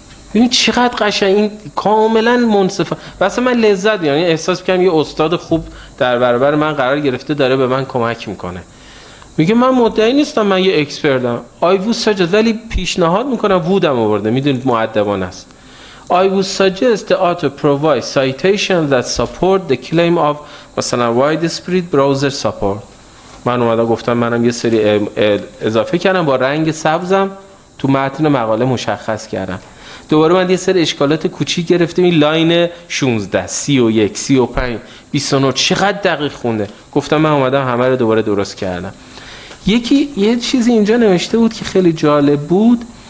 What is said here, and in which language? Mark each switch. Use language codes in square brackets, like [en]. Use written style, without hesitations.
[fa] ببینید چقدر قشنگ، این کاملا منصفه، واسه من لذت میبرم، یعنی احساس میکنم یه استاد خوب در برابر من قرار گرفته، داره به من کمک میکنه. میگه من مدعی نیستم، من یه اکسپرتم. [en] I would suggest، [fa] ولی پیشنهاد میکنم، وودم آورده، میدونید مؤدبانه است. [en] I would suggest the author provide citations that support the claim of مثلا widespread browser support. [fa] من اومده گفتم منم یه سری اضافه کردم با رنگ سبزم تو متن مقاله مشخص کردم. دوباره من یه سری اشکالات کوچیک گرفتم، این لاین 16 31 35 29 چقدر دقیق خونده. گفتم من اومدم همه رو دوباره درست کردم. یکی یه چیزی اینجا نوشته بود که خیلی جالب بود.